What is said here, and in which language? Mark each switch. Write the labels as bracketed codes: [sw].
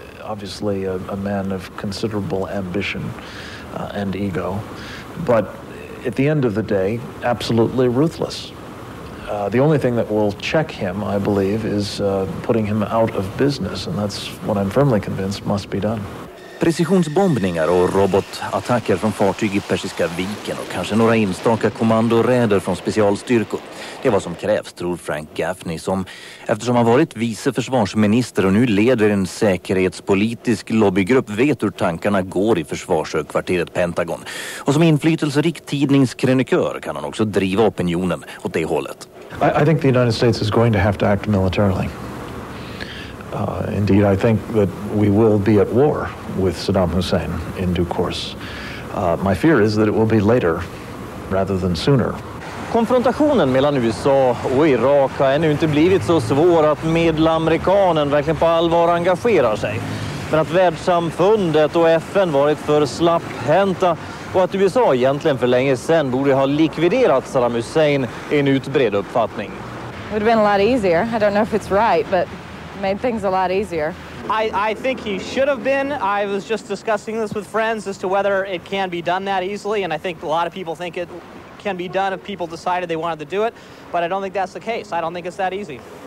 [en] Obviously a man of considerable ambition and ego, but at the end of the day, absolutely ruthless. The only thing that will check him, I believe, is putting him out of business, and that's what I'm firmly convinced must be done. [sv] Precisionsbombningar och robotattacker från fartyg i Persiska viken och kanske några enstaka kommandoräder från specialstyrkor. Det är vad som krävs, tror Frank Gaffney, som eftersom han varit vice försvarsminister och nu leder en säkerhetspolitisk lobbygrupp vet hur tankarna går i försvarshögkvarteret Pentagon. Och som inflytelserik tidningskrönikör kan han också driva opinionen åt det hållet. [en] I think the United States is going to have to act militarily. Indeed, I think that we will be at war with Saddam Hussein in due course. My fear is that it will be later rather than sooner. [sv] Konfrontationen mellan USA och Irak har ännu inte blivit så svår att medelamerikanen verkligen på allvar engagerar sig. Men att världssamfundet och FN varit för slapphänta och att USA egentligen för länge sedan borde ha likviderat Saddam Hussein är en utbredd uppfattning. [en] It would have been a lot easier. I don't know if it's right, but made things a lot easier. I think he should have been. I was just discussing this with friends as to whether it can be done that easily, and I think a lot of people think it can be done if people decided they wanted to do it, but I don't think that's the case. I don't think it's that easy.